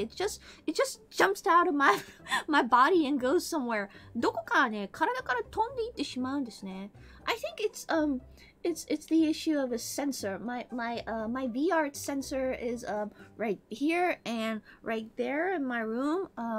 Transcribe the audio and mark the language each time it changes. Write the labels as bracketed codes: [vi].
[en] It just jumps out of my body and goes somewhere. [ja] どこかね、体から飛んでいってしまうんですね。 [en] I think it's the issue of a sensor. My VR sensor is right here and right there in my room.